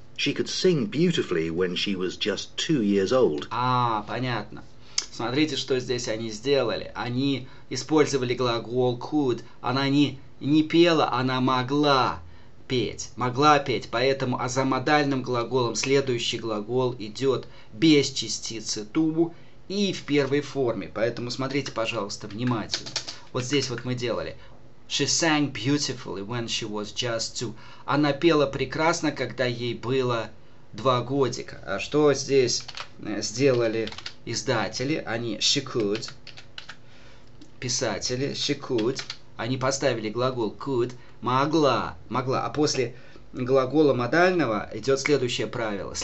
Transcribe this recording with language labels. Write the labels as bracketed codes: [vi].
[en] She could sing beautifully when she was just 2 years old. [ru] А, понятно. Смотрите, что здесь они сделали. Они использовали глагол could. Она не пела, она могла петь. Могла петь, поэтому азамодальным глаголом следующий глагол идет без частицы to и в первой форме. Поэтому смотрите, пожалуйста, внимательно. Вот здесь вот мы делали. [en] She sang beautifully when she was just two. [ru] Она пела прекрасно, когда ей было два годика. А что здесь сделали издатели? Они she could. Писатели she could. Они поставили глагол could. Могла. Могла. А после глагола модального идет следующее правило.